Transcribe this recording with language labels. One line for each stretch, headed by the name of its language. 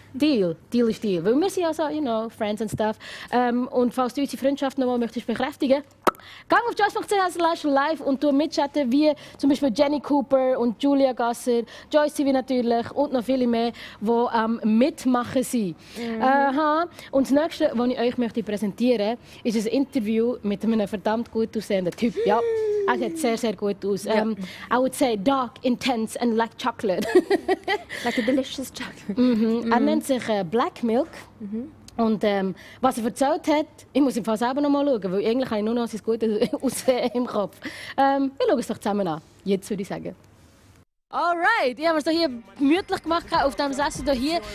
German: Deal, Deal ist Deal. Weil wir sind ja so,
English: you know, friends and stuff.
German: Und falls du unsere Freundschaft noch mal möchtest bekräftigen, geh auf joyce.ch/live und mitchatten wie zum Beispiel Jenny Cooper und Julia Gasser, Joyce TV natürlich und noch viele mehr, die mitmachen sind. Aha. Und das Nächste, was ich euch möchte präsentieren möchte, ist ein Interview mit einem verdammt gut aussehenden Typ. Ja. Er sieht sehr, sehr gut aus.
English: Yeah. I would say dark, intense and like chocolate. Like a delicious chocolate.
German: Er nennt sich Black Milk. Und was er erzählt hat, ich muss ihn fast selber noch mal schauen, weil eigentlich habe ich nur noch sein Gutes aussehen im Kopf. Wir schauen es doch zusammen an. Jetzt würde ich sagen. Alright, ich habe es hier gemütlich gemacht auf diesem Sessel hier.